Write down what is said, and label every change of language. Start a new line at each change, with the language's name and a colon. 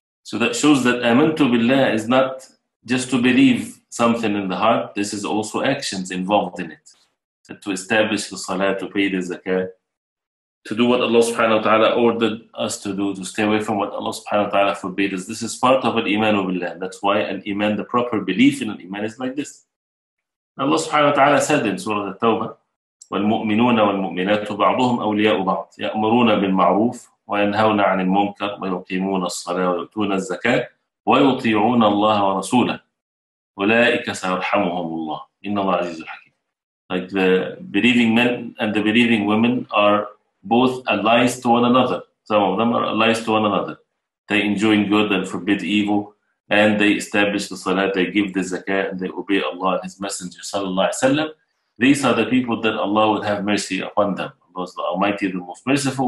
English: So that shows that amantu billah is not just to believe something in the heart, this is also actions involved in it. So to establish the salah, to pay the zakah, to do what Allah subhanahu wa ta'ala ordered us to do, to stay away from what Allah subhanahu wa ta'ala forbade us. This is part of an imanu billah. That's why an iman, the proper belief in an iman is like this.
Arabic: Allah subhanahu wa ta'ala said in Surah Al-Tawbah, والمؤمنون والمؤمنات بعضهم أولياء بعض يأمرون بالمعروف وينهون عن المنكر ويقيمون الصلاة ويؤتون الزكاة ويطيعون الله ورسوله أولئك سيرحمهم الله إن الله عزيز حكيم.
English: Like the believing men and the believing women are both allies to one another. Some of them are allies to one another. They enjoin good and forbid evil, and they establish the salah, they give the zakah, and they obey Allah and His Messenger sallallahu alaihi wasallam. These are the people that Allah would have mercy upon them. Allah is the Almighty, the Most Merciful.